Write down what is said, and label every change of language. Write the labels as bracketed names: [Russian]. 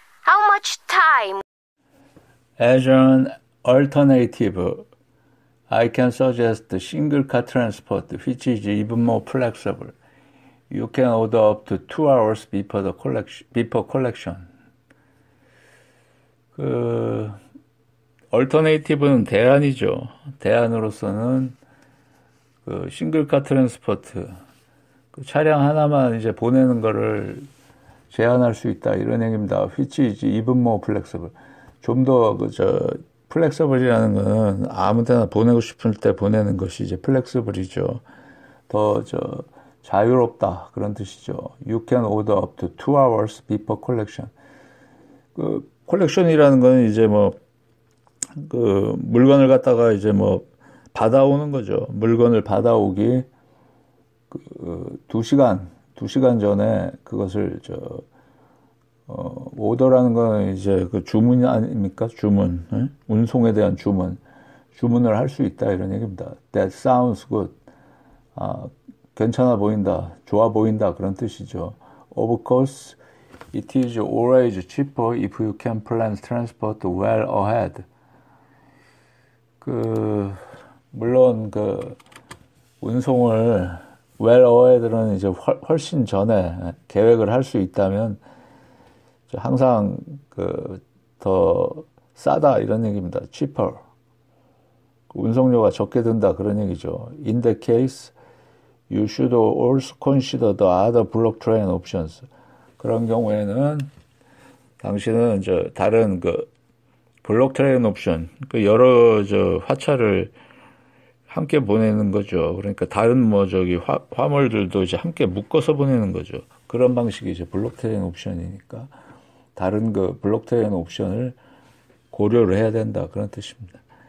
[English] How much time? As an alternative, I can suggest the single car transport, which is even more flexible. You can order up to 2 hours before the collection. [Korean] 그 얼터네이티브는 대안이죠. 대안으로서는 그 싱글카 트랜스포트, 그 차량 하나만 이제 보내는 거를 제한할 수 있다 이런 얘기입니다. [English] Which is even more flexible. [Korean] 좀 더 그저 플렉서블이라는 거는 아무데나 보내고 싶을 때 보내는 것이 이제 플렉서블이죠. 더 저 자유롭다 그런 뜻이죠. [English] You can order up to 2 hours before collection. [Korean] 그 콜렉션이라는 거는 이제 뭐 그 물건을 갖다가 이제 뭐 받아오는 거죠. 물건을 받아오기 그 2시간 전에 그것을 저 오더라는 거는 이제 그 주문 아닙니까? 주문. 응? 운송에 대한 주문. 주문을 할 수 있다 이런 얘기입니다. [English] That sounds good. [Korean] 아, 괜찮아 보인다. 좋아 보인다 그런 뜻이죠. [English] Of course, it is always cheaper if you can plan transport well ahead. [Korean] 그 물론 그 운송을 well ahead는 이제 훨씬 전에 계획을 할 수 있다면 항상 그 더 싸다 이런 얘기입니다. cheaper. 운송료가 적게 든다 그런 얘기죠. [English] In that case, you should also consider the other block train options. [Korean] 그런 경우에는 당신은 이제 다른 그 블록 트레인 옵션, 그 여러 저 화차를 함께 보내는 거죠. 그러니까 다른 뭐 저기 화물들도 이제 함께 묶어서 보내는 거죠. 그런 방식이 이제 블록 트레인 옵션이니까 다른 그 블록 트레인 옵션을 고려를 해야 된다 그런 뜻입니다.